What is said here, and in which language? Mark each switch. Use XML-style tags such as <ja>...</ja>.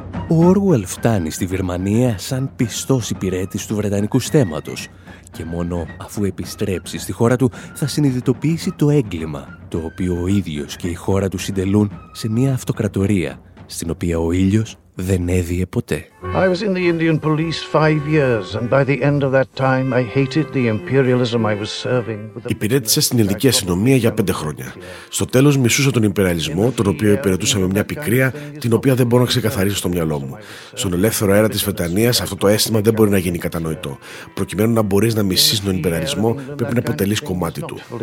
<el>Orwell φτάνει στη Βιρμανία σαν πιστός υπηρέτης του Βρετανικού στέμματος και μόνο αφού επιστρέψει στη χώρα του θα συνειδητοποιήσει το έγκλημα το οποίο ο ίδιος και η χώρα του συντελούν σε μια αυτοκρατορία στην οποία ο ήλιος δεν έδιε ποτέ.</el> <en>I was in the Indian police 5 years and by the end of that time I hated the imperialism I was serving.</en> <el>Υπηρέτησα στην ειδική αστυνομία για 5 χρόνια. Στο τέλος μισούσα τον υπεραλισμό, τον οποίο υπηρετούσα με μια πικρία, την οποία δεν μπορώ να ξεκαθαρίσω στο μυαλό μου. Στον ελεύθερο αέρα της Βρετανίας αυτό το αίσθημα δεν μπορεί να γίνει κατανοητό. Προκειμένου να μπορείς να μισείς τον υπεραλισμό, πρέπει να αποτελείς κομμάτι του.</el>